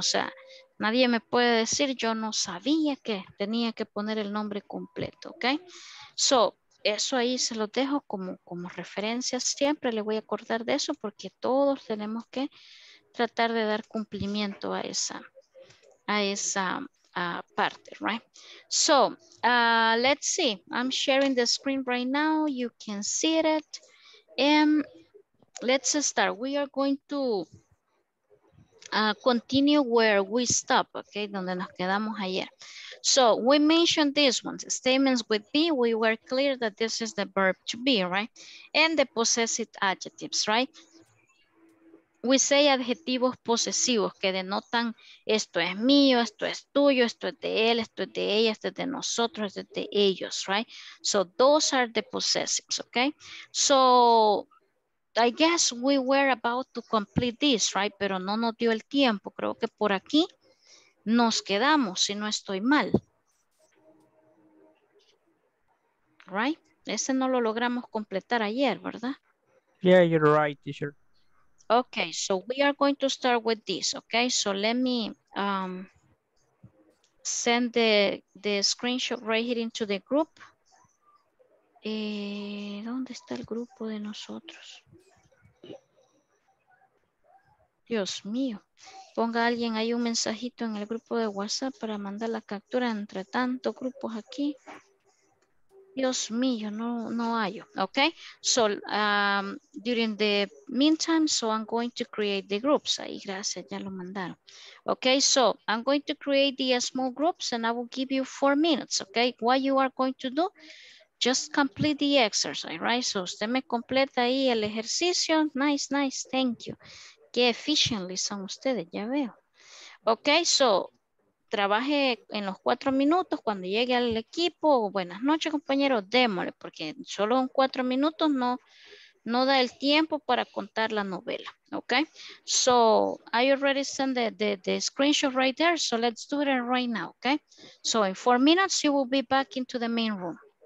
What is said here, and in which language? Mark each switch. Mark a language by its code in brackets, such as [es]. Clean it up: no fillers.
[es] O sea, nadie me puede decir, yo no sabía que tenía que poner el nombre completo, ¿ok? So, eso ahí se lo dejo como referencia. Siempre le voy a acordar de eso porque todos tenemos que tratar de dar cumplimiento a esa parte, right? [en] So, let's see. I'm sharing the screen right now. You can see it. let's start. We are going to continue where we stopped, okay? [es] Donde nos quedamos ayer. [en] So we mentioned these ones, statements with be. We were clear that this is the verb to be, right? And the possessive adjectives, right? [es] We say adjetivos posesivos que denotan esto es mío, esto es tuyo, esto es de él, esto es de ella, esto es de nosotros, esto es de ellos, right? [en] So those are the possessives, okay? So I guess we were about to complete this, right? [es] Pero no nos dio el tiempo. Creo que por aquí nos quedamos, si no estoy mal. Right? Ese no lo logramos completar ayer, ¿verdad? [en] Yeah, you're right, teacher. Okay, so we are going to start with this, okay? So let me send the screenshot right here into the group. [es] ¿Dónde está el grupo de nosotros? Dios mío. Ponga alguien ahí un mensajito en el grupo de WhatsApp para mandar la captura entre tantos grupos aquí. Dios mío, no hay. [en] Okay, so during the meantime, so I'm going to create the groups. [es] Ahí, gracias, ya lo mandaron. [en] Okay, so I'm going to create the small groups and I will give you 4 minutes, okay? What you are going to do, just complete the exercise, right? [es] So usted me completa ahí el ejercicio. [en] Nice, nice, thank you. [es] Qué efficiently son ustedes, ya veo. Okay, so trabaje en los 4 minutos cuando llegue al equipo. Buenas noches, compañeros. Démosle, porque solo en 4 minutos no da el tiempo para contar la novela. [en] Okay. So I already sent the screenshot right there. So let's do it right now. Okay. So in 4 minutes, you will be back into the main room.